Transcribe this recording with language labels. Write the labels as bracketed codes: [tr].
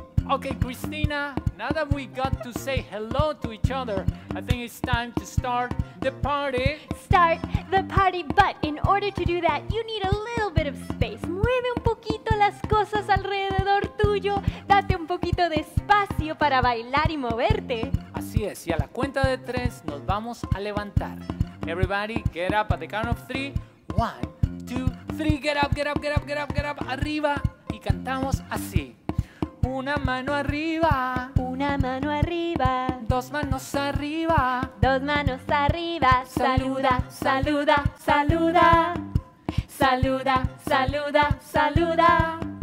[en] Okay, Cristina, now that we got to say hello to each other, I think it's time to start the party. Start the party, but in order to do that, you need a little bit of space. [es] Mueve un poquito las cosas alrededor tuyo. Date un poquito de espacio para bailar y moverte. Así es, y a la cuenta de tres nos vamos a levantar. [en] Everybody, get up at the count of three. One, two, three, get up, get up, get up, get up, get up. [es] Arriba. Y cantamos así. Una mano arriba. Una mano arriba. Dos manos arriba. Dos manos arriba. Saluda, saluda, saluda. Saluda, saluda, saluda.